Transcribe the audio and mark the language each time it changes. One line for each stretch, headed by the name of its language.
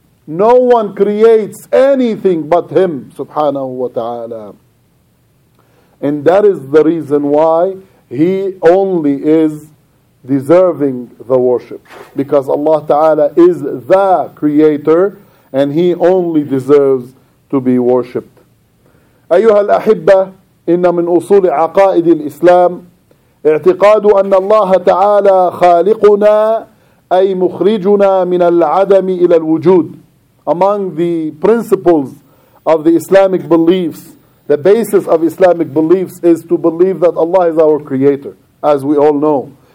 English: No one creates anything but him, subhanahu wa ta'ala. And that is the reason why he only is deserving the worship. Because Allah ta'ala is the creator, and he only deserves to be worshipped.
Arabic: أيها الأحبة، إن من أصول عقائد الإسلام اعتقاد أن الله تعالى خالقنا، أي مخرجنا من العدم إلى الوجود.
English: Among the principles of the Islamic beliefs, the basis of Islamic beliefs is to believe that Allah is our creator, as we all know.